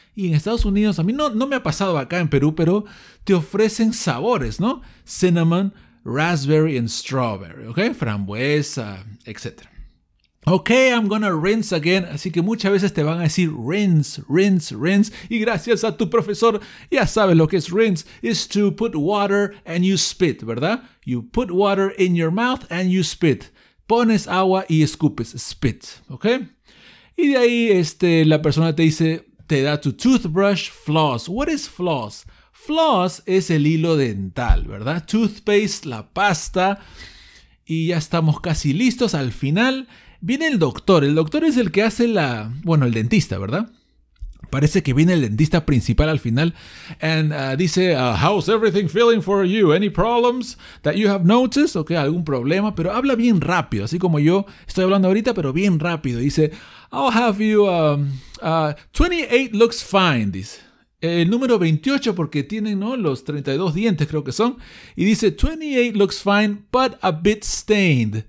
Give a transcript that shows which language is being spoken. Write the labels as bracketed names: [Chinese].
[Spanish] Y en Estados Unidos, a mí no me ha pasado acá en Perú, pero te ofrecen sabores, ¿no? [English] Cinnamon, raspberry and strawberry, okay? [Spanish] Frambuesa, etc. [English] Ok, I'm gonna rinse again. [Spanish] Así que muchas veces te van a decir rinse, rinse, rinse. Y gracias a tu profesor, ya sabes lo que es rinse. [English] Is to put water and you spit, ¿verdad? You put water in your mouth and you spit. [Spanish] Pones agua y escupes. Spit, ¿ok? Y de ahí la persona te dice, te da tu toothbrush, floss. [English] What is floss? [Spanish] Floss es el hilo dental, ¿verdad? Toothpaste, la pasta. Y ya estamos casi listos al final. Viene el doctor. El doctor es el que hace la... Bueno, el dentista, ¿verdad? Parece que viene el dentista principal al final. [English] And dice, how's everything feeling for you? Any problems that you have noticed? [Spanish] Ok, algún problema. Pero habla bien rápido. Así como yo estoy hablando ahorita, pero bien rápido. Dice, [English] I'll have you... 28 looks fine, [Spanish] dice. El número 28, porque tienen, ¿no?, los 32 dientes, creo que son. Y dice, [English] 28 looks fine, but a bit stained.